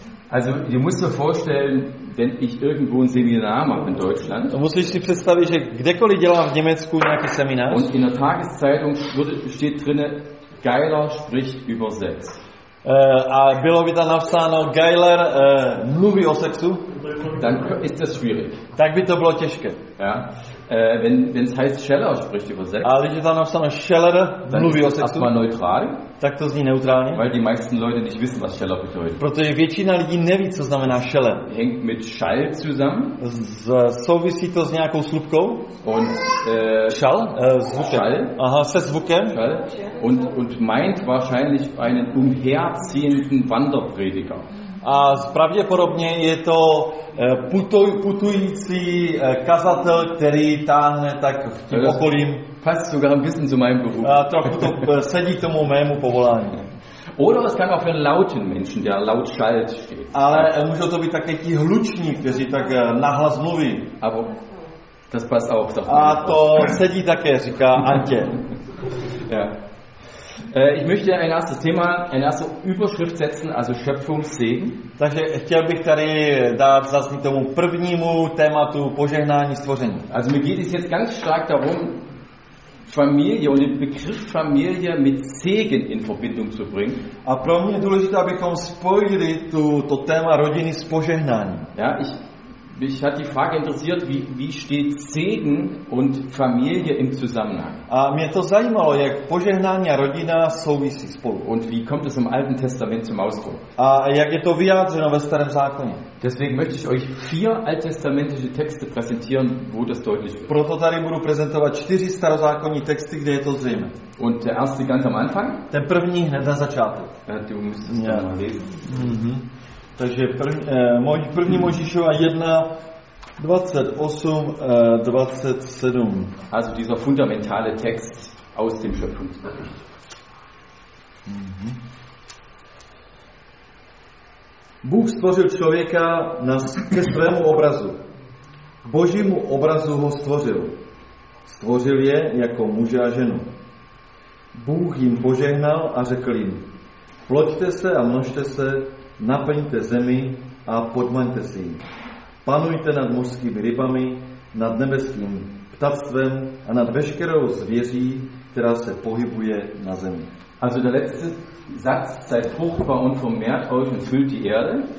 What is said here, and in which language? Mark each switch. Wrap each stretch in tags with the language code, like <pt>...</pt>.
<de>Also ihr müsst euch vorstellen, wenn ich irgendwo ein Seminar mache in Deutschland.</de> <cs>Muss ich sich představit, že kdekoliv dělám v Německu nějaký seminář.</cs> <de>Und in der Tageszeitung steht drinne Geiler spricht über Sex.</de> <cs>A bylo by tam napsáno Geiler mluví o sexu.</cs> <de>Dann ist das schwierig.</de> <cs>Tak by to bylo těžké.</cs> <de>Ja. Wenn es heißt Scheller spricht über Sex.</de> <cs>Ale je tam napsáno Scheller mluví o sexu.</cs> <de>Erstmal neutral.</de> <cs>Tak to zní neutrálně.</cs> <de>Weil die meisten Leute nicht wissen, was Scheller bedeutet.</de> <cs>Protože většina lidí neví, co znamená Scheller.</cs> <de>Hängt mit Schall zusammen.</de> <cs>Souvisí to s nějakou slupkou.</cs> <de>Und</de> <cs>Schall, zvukem.</cs> <de>Schall.</de> <cs>Aha, se zvukem.</cs> <de>Schall. Und meint wahrscheinlich einen umherziehenden Wanderprediger.</de> <cs>A pravděpodobně je to putující kazatel, který táhne tak v tím okolím.</cs> <de>Passt sogar ein bisschen zu meinem Beruf.</de> <cs>A trochu to sedí tomu mému povolání.</cs> <de>Oder es kann auch für einen lauten Menschen, der laut schallt, steht.</de> <cs>Ale můžou to být také ti hluční, kteří tak nahlas mluví.</cs> <de>Aber Das passt auch doch.</de> <cs>A to sedí také, říká Antě.</cs> <de>Ja. Ich möchte ein erstes Thema, eine erste Überschrift setzen, also Schöpfungssegen.</de> <cs>Takže chtěl bych tady dát zaznit tomu prvnímu tématu požehnání stvoření.</cs> <de>Also mir geht es jetzt ganz stark darum, Familie und den Begriff Familie mit Segen in Verbindung zu bringen.</de> <cs>A pro mě je důležité, abychom spojili to téma rodiny s požehnáním.</cs> <de>Ja, mich hat die Frage interessiert, wie steht Segen und Familie im Zusammenhang?</de> <cs>A mě to zajímalo, jak požehnání a rodina souvisí spolu.</cs> <de>Und wie kommt es im Alten Testament zum Ausdruck?</de> <cs>A jak je to vyjádřeno ve Starém zákoně?</cs> <de>Deswegen möchte ich euch 4 alttestamentische Texte präsentieren, wo das deutlich wird.</de> <cs>Proto tady budu prezentovat 4 starozákonní texty, kde je to zřejmé.</cs> <de>Und der erste ganz am Anfang?</de> <cs>Ten první hned na začátek. Ty musíš to</cs> <de>mal lesen.</de> <cs>Takže první Mojžíšova 1, 28, 27.</cs> <de>Also dieser fundamentale Text aus dem Schöpfungsbericht.</de> <cs>Bůh stvořil člověka ke svému obrazu. K božímu obrazu ho stvořil. Stvořil je jako muže a ženu. Bůh jim požehnal a řekl jim, ploďte se a množte se, naplňte zemi a podmaňte si ji. Panujte nad mořskými rybami, nad nebeským ptactvem a nad veškerou zvěří, která se pohybuje na zemi.</cs> <de>Also der letzte Satz, seid fruchtbar und vermehrt euch und füllt die Erde.</de>